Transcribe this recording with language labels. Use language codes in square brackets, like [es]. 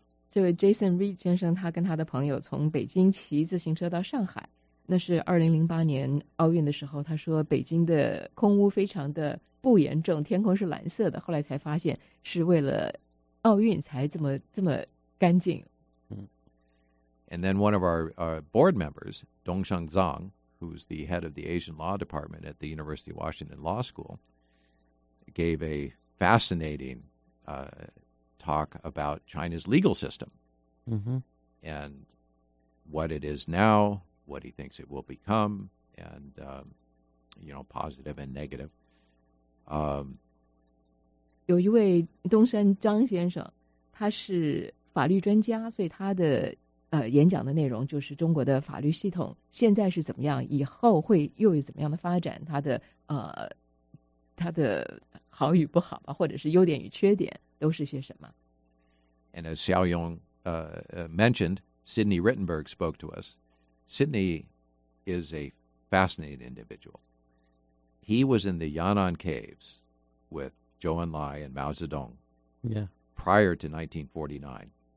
[zh] 这位 Jason Reed 先生，他跟他的朋友从北京骑自行车到上海，那是2008年奥运的时候。他说北京的空污非常的不严重，天空是蓝色的。后来才发现是为了奥运才这么干净。 [en] And then one of our board members, Dongsheng Zhang, who's the head of the Asian Law Department at the University of Washington Law School, gave a fascinating, talk about China's legal system, and what it is now, what he thinks it will become, and you know, positive and negative. [zh] 有一位东山张先生，他是法律专家，所以他的演讲的内容就是中国的法律系统现在是怎么样，以后会又有怎么样的发展，他的好与不好吧，或者是优点与缺点都是些什么。 [en] And as Xiao Yong mentioned, Sidney Rittenberg spoke to us. Sidney is a fascinating individual. He was in the Yan'an Caves with Zhou Enlai and Mao Zedong prior to 1949.